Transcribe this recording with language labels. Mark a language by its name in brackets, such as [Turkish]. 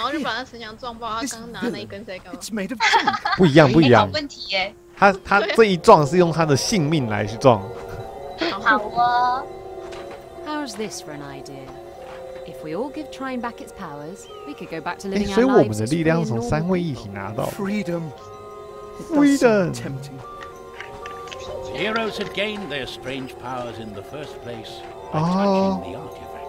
[Chinese] 这样一倒，然后就把那神墙撞爆。他刚拿那一根在干嘛？不一样，不一样。问题耶！他这一撞是用他的性命来去撞。好哦。 [English] How is this for an idea? If we all give Trine back its powers, we could go back to living our lives. [Chinese] 所以我们的力量从三位一体拿到。 [English] Freedom. Freedom. Heroes had gained their strange powers in the first place by touching the artifact.